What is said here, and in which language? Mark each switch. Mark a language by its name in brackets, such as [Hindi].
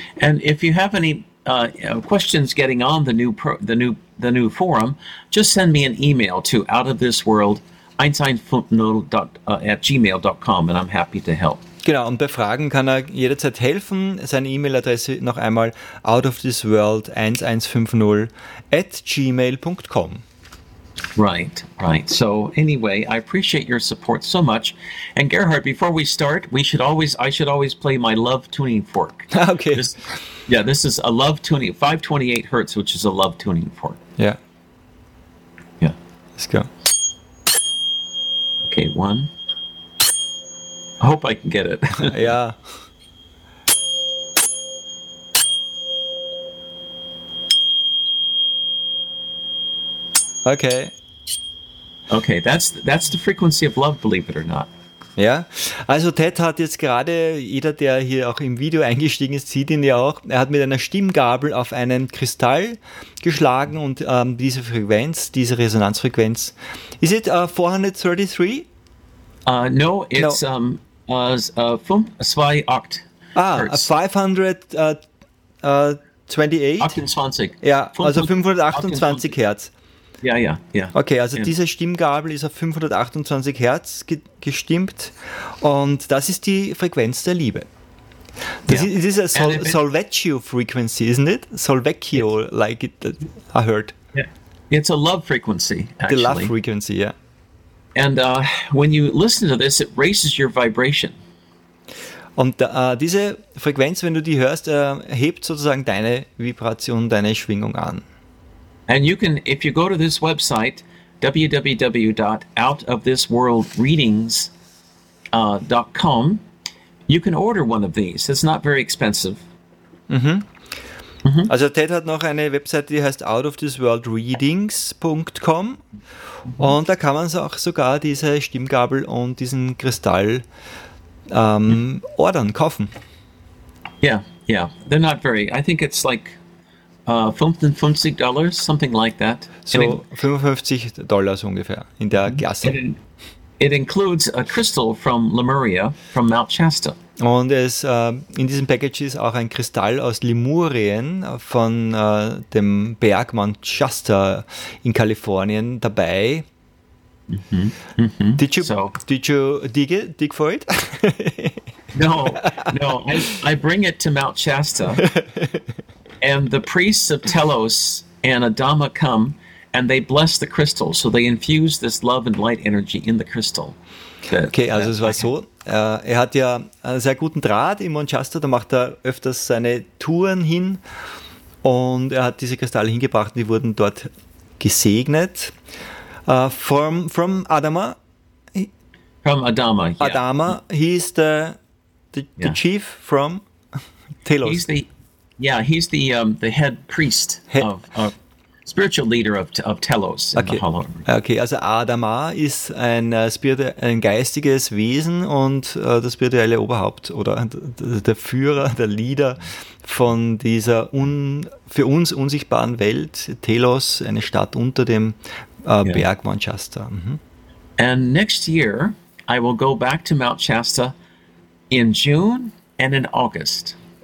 [English] And if you have any questions getting on the new forum, just send me an email to outofthisworld@gmail.com and I'm happy to help. [German] Genau, und bei Fragen kann er jederzeit helfen. Seine E-Mail-Adresse noch einmal outofthisworld1150@gmail.com. [English] Right, right. So anyway, I appreciate your support so much. And Gerhard, before we start, I should always play my love tuning fork. Okay. This is a love tuning, 528 hertz, which is a love tuning fork. Yeah. Yeah. Let's go. Okay, one. I hope I can get it. Yeah. Okay. Okay, that's the frequency of love, believe it or not. [German] Ja, also Ted hat jetzt gerade, jeder, der hier auch im Video eingestiegen ist, sieht ihn ja auch, er hat mit einer Stimmgabel auf einen Kristall geschlagen und diese Frequenz, diese Resonanzfrequenz, [English] is it 433? No, it's 528. Ah, 528? 28. [German] Ja, also 528 Hertz. Ja, ja, ja. Okay, also diese Stimmgabel ist auf 528 Hertz gestimmt und das ist die Frequenz der Liebe. Das ist eine [English] Solvecchio Frequency, isn't it? Solvecchio, like it, I heard. Yeah. It's a love frequency, actually. The love frequency, yeah. And when you listen to this, it raises your vibration. [German] Und diese Frequenz, wenn du die hörst, hebt sozusagen deine Vibration, deine Schwingung an. [English] And you can, if you go to this website, www.outofthisworldreadings.com, you can order one of these. It's not very expensive. Mhm. Mhm. [German] Also Ted hat noch eine Website, die heißt outofthisworldreadings.com. Mhm. Und da kann man auch sogar diese Stimmgabel und diesen Kristall ordern, kaufen. [English] Yeah, yeah. They're not very, I think it's like, $55, something like that. [German] So, $55 ungefähr, in der Klasse. [English] It includes a crystal from Lemuria, from Mount Shasta. [German] Und es, in diesem Package ist auch ein Kristall aus Lemurien von dem Berg Mount Shasta in Kalifornien dabei. Mm-hmm. [English] Mm-hmm. Did you dig for it? No, I bring it to Mount Shasta. And the priests of Telos and Adama come and they bless the crystal. So they infuse this love and light energy in the crystal. [German] Okay, also es war so, er hat ja einen sehr guten Draht in Mount Shasta, da macht er öfters seine Touren hin und er hat diese Kristalle hingebracht und die wurden dort gesegnet. [English] From Adama. From Adama, yeah. Adama, he is the chief from Telos. He's the head priest of spiritual leader of Telos in okay. the Hollow. [German] Okay, also Adama ist ein geistiges Wesen und das spirituelle Oberhaupt oder der Führer, der Leader von dieser für uns unsichtbaren Welt Telos, eine Stadt unter dem Berg Manchester. Mhm. [English] And next year I will go back to Mount Shasta in June and in August.